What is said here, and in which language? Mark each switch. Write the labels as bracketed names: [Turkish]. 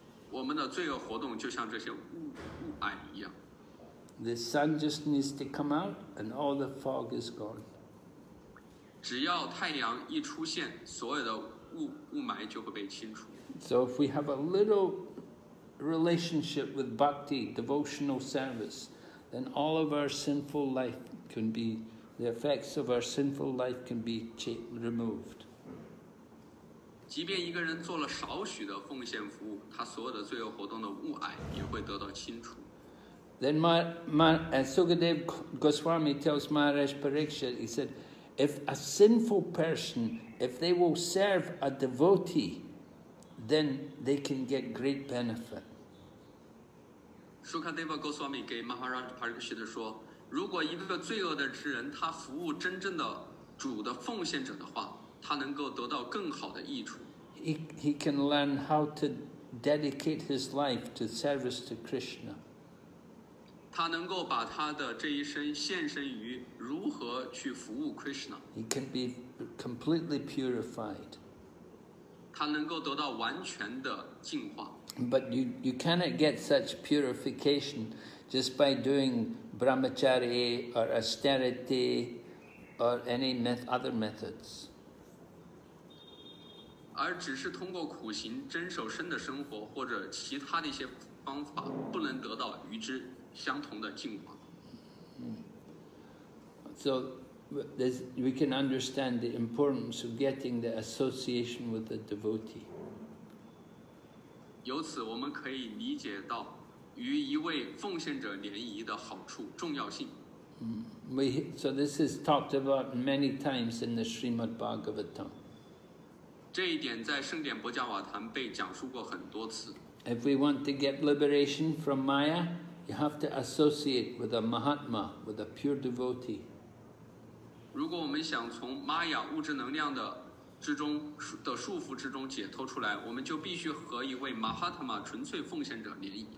[Chinese] 我们的罪恶活动就像这些雾霭一样。 [English] The sun just needs to come out, and all the fog is gone. [Chinese] 只要太阳一出现，所有的雾霾就会被清除。 [English] So if we have a little relationship with bhakti, devotional service, then all of our sinful life can be. The effects of our sinful life can be removed. [Chinese] 即便一个人做了少许的奉献服务，他所有的罪恶活动的雾霭也会得到清除。 [English] Then Sukadev Goswami tells Maharaj Pariksit, he said, if a sinful person, if they will serve a devotee, then they can get great benefit. [Chinese] Sukadev Goswami 给 Maharaj Pariksit 说如果一个罪恶的之人，他服务真正的主的奉献者的话，他能够得到更好的益处。 [English] He can learn how to dedicate his life to service to Krishna. [Chinese] 他能够把他的这一生献身于如何去服务 Krishna. [English] He can be completely purified. [Chinese] 他能够得到完全的净化。 [English] But you cannot get such purification just by doing. Brahmacharya or austerity or any other methods. [Chinese] 而只是通过苦行真守身的生活或者其他的一些方法不能得到与之相同的净化。 [English] So this, we can understand the importance of getting the association with the devotee. [Chinese] 由此我们可以理解到与一位奉献者联谊的好处重要性。 [English] So this is talked about many times in the Srimad Bhagavatam. [Chinese] 这一点在圣典薄伽瓦坛被讲述过很多次。 [English] If we want to get liberation from Maya, you have to associate with a Mahatma, with a pure devotee. [Chinese] 如果我们想从 Maya 物质能量 的束缚之中解脱出来，我们就必须和一位 Mahatma 纯粹奉献者联谊。